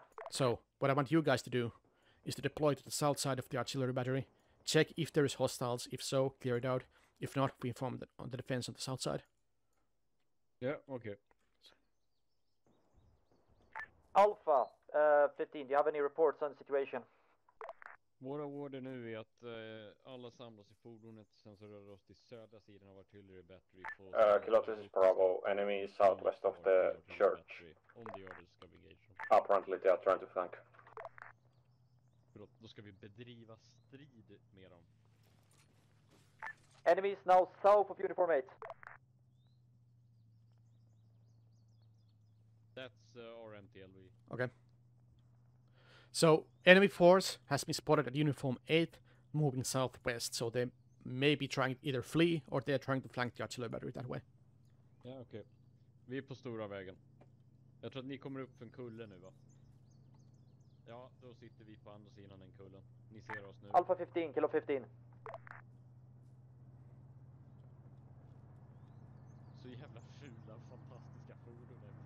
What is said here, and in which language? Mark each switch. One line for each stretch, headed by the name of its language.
English: So what I want you guys to do is to deploy to the south side of the artillery battery, check if there is hostiles, if so, clear it out, if not, we inform on the defense on the south side. Yeah, okay. Alpha 15, do you have any reports on the situation?
Swedish: Våra order nu är att alla samlas i fordonet, sen så rör oss till södra sidan av
English: artillery battery. Kilo, this is Bravo. Enemy is southwest of the church. On the order
Swedish: ska vi
English: engage. Apparently they are trying to flank.
Swedish: Förlåt, då ska vi bedriva strid med dem.
English: Enemy is now south of uniform 8. That's our MTLV. Okay. So, enemy force has been spotted at uniform 8, moving southwest. So they may be trying to either flee, or they are trying to flank the artillery battery that way. Yeah, okay.
Swedish: Vi är på stora vägen. Jag tror att ni kommer upp för en kulle nu, va? Ja, då sitter vi på andra sidan den kullen. Ni ser oss nu.
English: Alpha 15, kilo 15.
Swedish: Så jävla fula, fantastiska fordon.